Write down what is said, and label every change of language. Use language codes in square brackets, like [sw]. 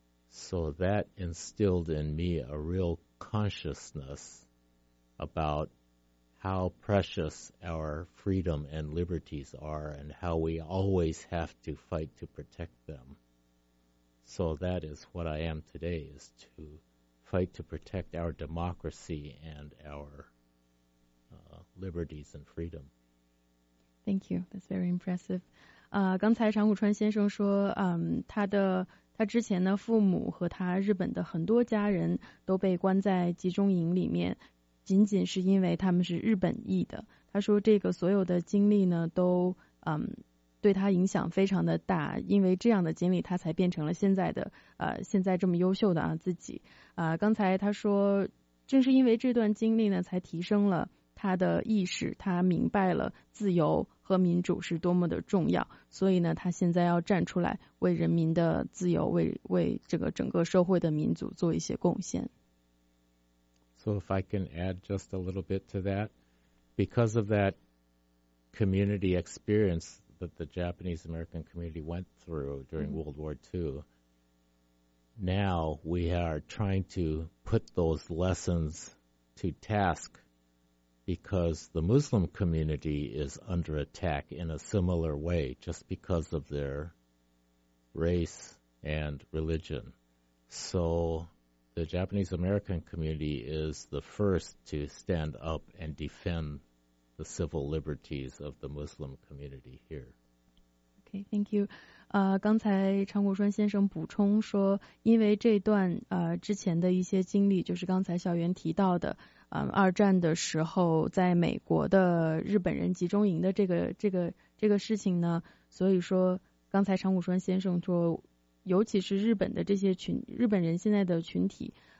[en] So that instilled in me a real consciousness about how precious our freedom and liberties are and how we always have to fight to protect them. So that is what I am today, is to fight to protect our democracy and our liberties and freedom. Thank you. That's very impressive. [zh] 刚才长谷川先生说，他之前呢，父母和他日本的很多家人都被关在集中营里面，仅仅是因为他们是日本裔的。他说这个所有的经历呢，都对他影响非常的大，因为这样的经历他才变成了现在的现在这么优秀的自己。刚才他说正是因为这段经历呢，才提升了他的意识，他明白了自由和民主是多么的重要，所以呢他现在要站出来为人民的自由，为这个整个社会的民主做一些贡献。 [en] So if I can add just a little bit to that, because of that community experience that the Japanese American community went through during World War II, now we are trying to put those lessons to task, because the Muslim community is under attack in a similar way just because of their race and religion. So the Japanese American community is the first to stand up and defend the civil liberties of the Muslim community here. Okay, thank you. [zh] 刚才长谷川先生补充说，因为这段之前的一些经历，就是刚才小袁提到的，二战的时候在美国的日本人集中营的这个事情呢，所以说刚才长谷川先生说，尤其是日本的这些日本人现在的群体，